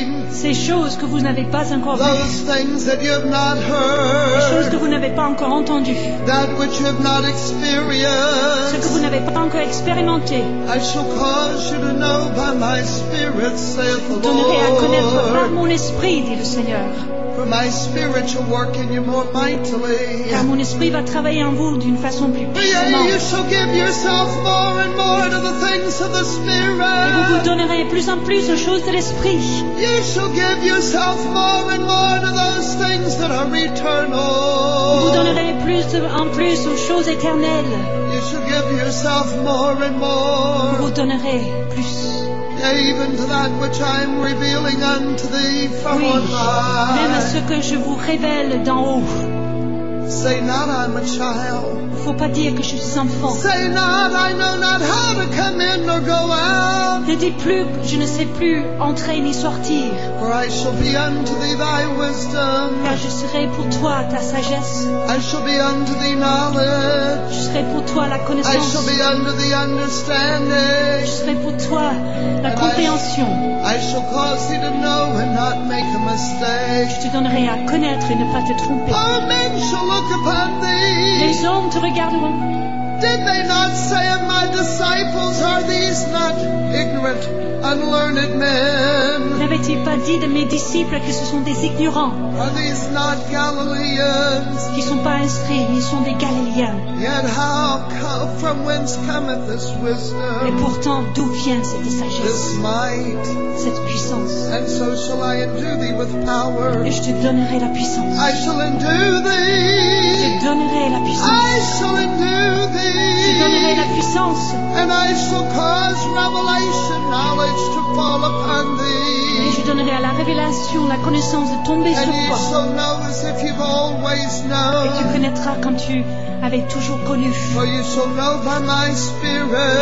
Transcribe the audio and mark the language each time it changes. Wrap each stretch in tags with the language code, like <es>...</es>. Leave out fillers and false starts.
<fr>Ces choses que vous n'avez pas encore vues, les choses que vous n'avez pas encore entendues,</fr> <en>that which you have not experienced,</en> <fr>ce que vous n'avez pas encore expérimenté, je donnerai à connaître par mon esprit, dit le Seigneur.</fr> <en>For my spirit shall work in you more mightily.</en> <fr>Car mon esprit va travailler en vous d'une façon plus puissante. Et vous vous donnerez plus en plus aux choses de l'esprit.</fr> <en>You shall give yourself more and more to those things that are eternal.</en> <fr>Vous vous donnerez plus en plus aux choses éternelles.</fr> <en>You shall give yourself more and more.</en> <fr>Vous vous donnerez plus.</fr> <en>Even to that which I am revealing unto thee from</en> <fr>oui,</fr> <en>on high.</en> <fr>Même à ce que je vous révèle d'en haut.</fr> <en>Say not I'm a child.</en> <fr>Faut pas dire que je suis enfant.</fr> <en>Say not I know not how to come in or go out.</en> <fr>Ne dis plus je ne sais plus entrer ni sortir.</fr> <en>For I shall be unto thee thy wisdom.</en> <fr>Car je serai pour toi ta sagesse.</fr> <en>I shall be unto thee knowledge.</en> <fr>Je serai pour toi la connaissance.</fr> <en>I shall be unto thee understanding.</en> <fr>Je serai pour toi la compréhension.</fr> <en>I shall cause thee to know and not make a mistake.</en> <fr>Je te donnerai à connaître et ne pas te tromper.</fr> <en>All men shall look upon thee.</en> <fr>Les hommes te regarderont.</fr> <en>Did they not say of my disciples, are these not ignorant, unlearned men?</en> <fr>N'avaient-ils pas dit de mes disciples que ce sont des ignorants?</fr> <en>Are these not Galileans?</en> <fr>Qui sont pas instruits, ils sont des Galiléens.</fr> <en>Yet how come, from whence cometh this wisdom?</en> <fr>Et pourtant, d'où vient cette sagesse?</fr> <en>This might.</en> <fr>Cette puissance.</fr> <en>And so shall I endue thee with power.</en> <fr>Et je te donnerai la puissance.</fr> <en>I shall endue thee.</en> <fr>Je te donnerai la puissance.</fr> <en>I shall endue thee.</en> <fr>Je donnerai la puissance.</fr> <en>And I shall cause revelation knowledge to fall upon thee.</en> <fr>Et je donnerai à la révélation la connaissance de tomber</fr> <en>and</en> <fr>sur toi.</fr> <en>And shall know as if you've always known.</en> <fr>Et tu connaîtras comme tu avais toujours connu.</fr> <en>For you shall know by my spirit.</en>